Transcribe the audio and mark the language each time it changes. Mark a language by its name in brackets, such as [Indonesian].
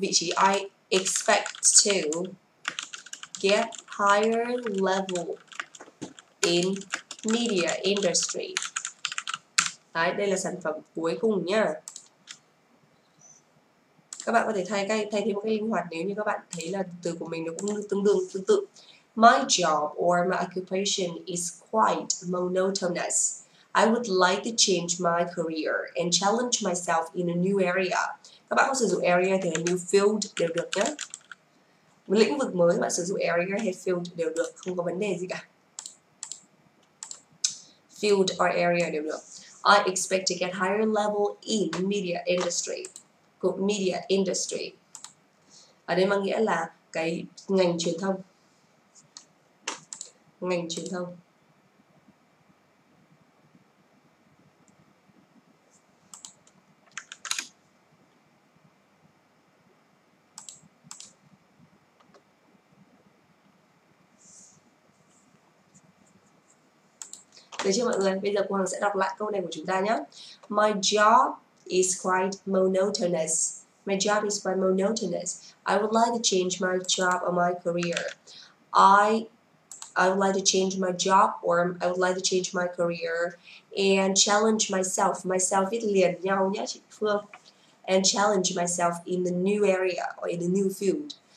[Vietnamese] Vị trí. [English] I expect to get higher level in media industry. [Vietnamese] Đấy, đây là sản phẩm cuối cùng nhá. Các bạn có thể thay thêm một cái linh hoạt nếu như các bạn thấy là từ của mình nó cũng tương đương tương tự. [English] My job or my occupation is quite monotonous. I would like to change my career and challenge myself in a new area. [Vietnamese] Các bạn có sử dụng area thì là new field đều được nhé. Một lĩnh vực mới, bạn sử dụng area hay field đều được, không có vấn đề gì cả. [English] Field or area [Vietnamese] đều được. [English] I expect to get higher level in media industry. [Vietnamese] Good media industry. Ở đây mang nghĩa là cái ngành truyền thông. Ngành truyền thông. Được chưa mọi người? Bây giờ cô Hằng sẽ đọc lại câu này của chúng ta nhé. [English] My job is quite monotonous. I would like to change my job or my career. I would like to change my job or I would like to change my career and challenge myself. [Vietnamese] Myself viết liền nhau nhé chị Phương. [English] And challenge myself in the new area or in the new field.